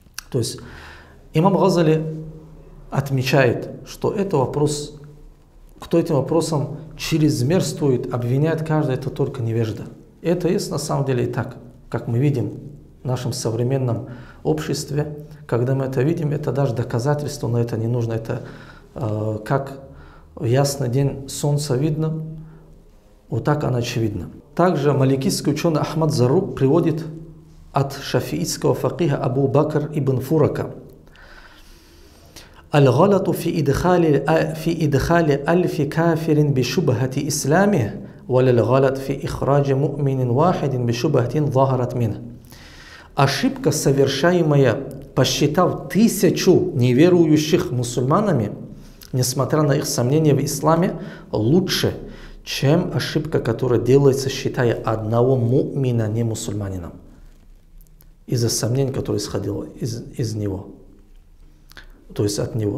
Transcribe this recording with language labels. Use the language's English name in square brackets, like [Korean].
[Russian] То есть имам Газали отмечает, что это вопрос, кто этим вопросом чрезмерствует, обвиняет каждого, это только невежда. Это есть на самом деле и так, как мы видим в нашем современном обществе. Когда мы это видим, это даже доказательство, но это не нужно. Это как в ясный день солнца видно, вот так оно очевидно. Также маликийский ученый Ахмад Зарруб приводит от шафиитского факиха Абу Бакр ибн Фурака: [Arabic] الغلط في إدخال ألف كافر بشبهة إسلامه ولا الغلط في إخراج مؤمن واحد بشبهة ظهرت منه. [Russian] Ошибка, совершаемая, посчитав тысячу неверующих мусульманами, несмотря на их сомнения в исламе, лучше, чем ошибка, которая делается, считая одного мумина не мусульманином из-за сомнений, которые исходили из него. То есть от него.